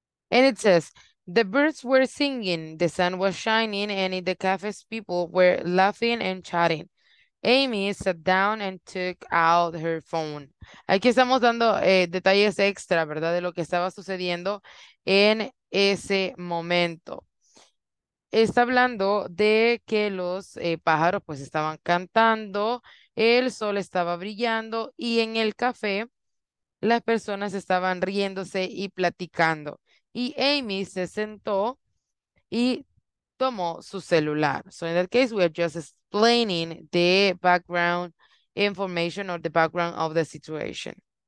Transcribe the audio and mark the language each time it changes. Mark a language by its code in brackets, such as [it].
[en] And it says, the birds were singing, the sun was shining, and in the cafe's people were laughing and chatting. Amy sat down and took out her phone. [es] Aquí estamos dando detalles extra, ¿verdad? De lo que estaba sucediendo en ese momento. Está hablando de que los pájaros pues estaban cantando, el sol estaba brillando y en el café las personas estaban riéndose y platicando. Y Amy se sentó y tomó su celular. [en] So in that case, we are just explaining the background information or the background of the situation.